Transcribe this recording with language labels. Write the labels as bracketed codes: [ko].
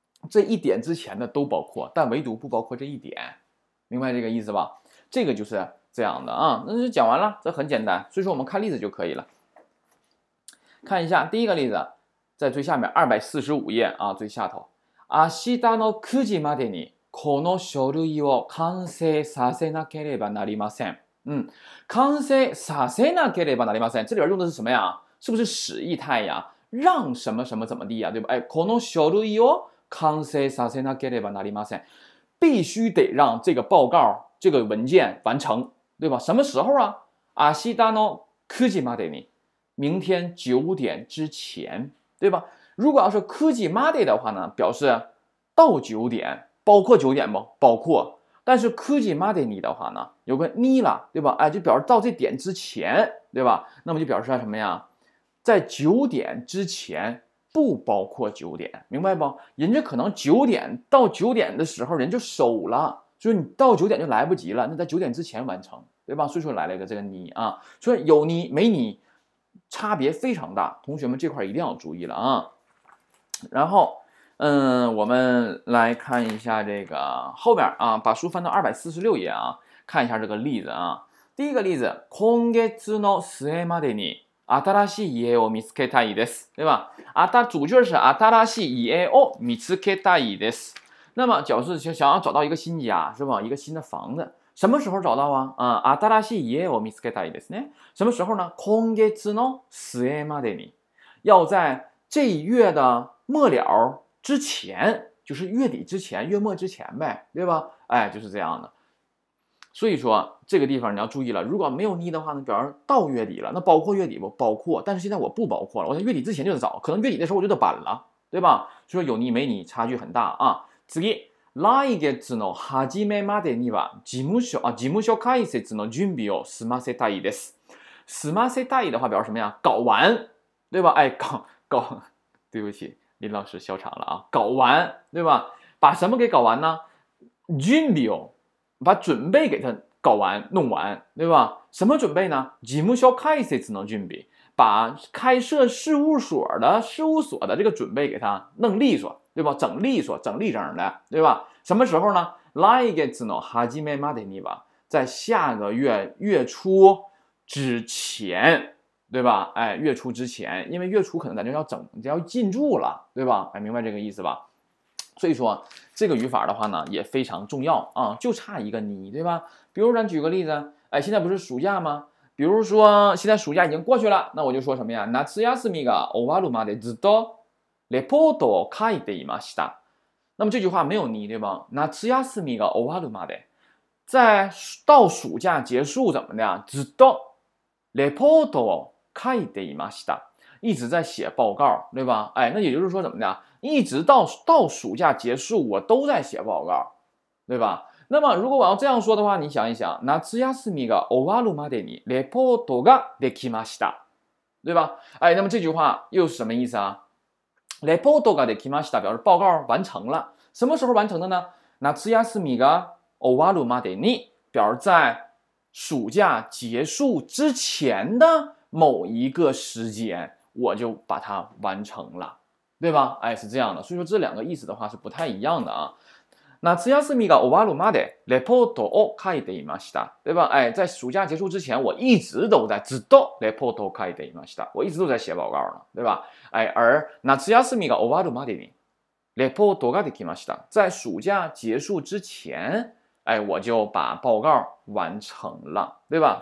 [zh] 这一点之前的都包括，但唯独不包括这一点。明白这个意思吧？这个就是这样的啊，那就讲完了，这很简单，所以说我们看例子就可以了。看一下第一个例子，在最下面245页啊，最下头。 [ja] 明日の9時までにこの書類を完成させなければなりません。嗯，完成させなければなりません。 [zh] 这里边用的是什么呀？是不是使役态呀？让什么什么怎么地呀？对吧？ [ja] 哎，この書類を完成させなければなりません。 [zh] 必须得让这个报告这个文件完成，对吧？什么时候啊？ [ja] あしたの九時までに， [zh] 明天九点之前，对吧？如果要是 [ja] 九時まで [zh] 的话呢，表示到九点，包括九点不？包括。但是 [ja] 九時までに [zh] 的话呢，有个に了，对吧？哎，就表示到这点之前，对吧？那么就表示什么呀？在九点之前。不包括九点，明白不？人家可能九点到九点的时候，人就守了，所以你到九点就来不及了。那在九点之前完成，对吧？所以说来了一个这个你啊，所以有你没你差别非常大，同学们这块一定要注意了啊。然后，我们来看一下这个后边啊，把书翻到246页啊，看一下这个例子啊。第一个例子， [ja] 今月の末までに。新しい家を見つけたいです， [zh] 对吧？主句是 [ja] 新しい家を見つけたいです。 [zh] 那么表示想要找到一个新家，是吧？一个新的房子，什么时候找到啊？ [ja] 新しい家を見つけたいですね。 [zh] 什么时候呢？ [ja] 今月の末までに， [zh] 要在这一月的末了之前，就是月底之前、月末之前呗，对吧？哎，就是这样的。所以说这个地方你要注意了，如果没有ni的话呢，表示到月底了，那包括月底不包括，但是现在我不包括了，我在月底之前就得找，可能月底的时候我就得搬了，对吧？所以说有ni没ni差距很大啊。 [ja] 次，来月の初めまでには事務所開設の準備を済ませたいです。済ませたい [zh] 的话表示什么呀？搞完，对吧？哎，搞对不起，林老师笑场了啊，搞完对吧？把什么给搞完呢？ [ja] 準備を， [zh] 把准备给他搞完弄完对吧？什么准备呢？ [ja] 事務所開設の準備， [zh] 把开设事务所的事务所的这个准备给他弄利索对吧？整利索整利整的对吧？什么时候呢？ [ja] 来月の初めまでには， [zh] 在下个月月初之前对吧？哎，月初之前，因为月初可能咱就要整就要进驻了对吧？哎，明白这个意思吧？所以说这个语法的话呢也非常重要啊，就差一个你对吧？比如咱举个例子，哎，现在不是暑假吗？比如说现在暑假已经过去了，那我就说什么呀？ [ja] 夏休みが終わるまでずっとレポートを書いていました。 [zh] 那么这句话没有你对吧？ [ja] 夏休みが終わるまで， [zh] 在到暑假结束怎么的呀？ [ja] ずっとレポートを書いていました， [zh] 一直在写报告，对吧？哎，那也就是说怎么的？一直到暑假结束，我都在写报告，对吧？那么如果我要这样说的话，你想一想， [ja] 夏休みが終わるまでにレポートができました， [zh] 对吧？哎，那么这句话又是什么意思啊？ [ja] レポートができました [zh] 表示报告完成了，什么时候完成的呢？ [ja] 夏休みが終わるまでに [zh] 表示在暑假结束之前的某一个时间，我就把它完成了，对吧？哎，是这样的，所以说这两个意思的话是不太一样的啊。 [ja] 那夏休みが終わるまでレポートを書いていました， [zh] 对吧？哎，在暑假结束之前，我一直都在 [ja] ずっとレポートを書いていました， [zh] 我一直都在写报告呢，对吧？ [ja] 哎，而夏休みが終わるまでにレポートができました， [zh] 在暑假结束之前。哎，我就把报告完成了，对吧？